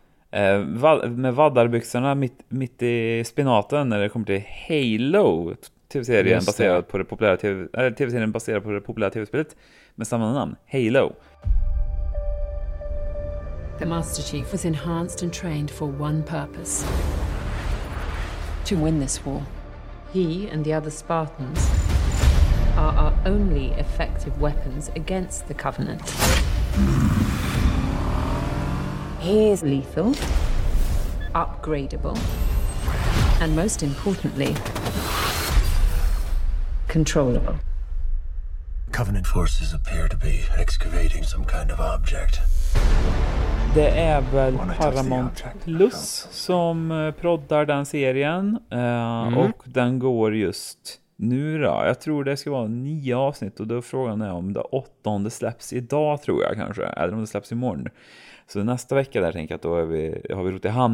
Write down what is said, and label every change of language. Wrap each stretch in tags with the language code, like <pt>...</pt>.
<sv>Jag är ju med vaddarbyxorna mitt i spinaten när det kommer till Halo, tv-serien baserad på det populära tv-serien baserad på det populära tv-spelet med samma namn, Halo.</sv> <en>The Master Chief was enhanced and trained for one purpose. To win this war. He and the other Spartans are our only effective weapons against the Covenant. He is lethal, upgradable, and most importantly, controllable. Covenant forces appear to be excavating some kind of object.</en> <sv>Det är väl Paramount Plus som proddar den serien. Och den går just... Nu då? Jag tror det ska vara 9 avsnitt, och då frågan är om det 8:e släpps idag, tror jag kanske. Eller om det släpps imorgon. Så nästa vecka där tänker jag att då har vi rot i hand.</sv>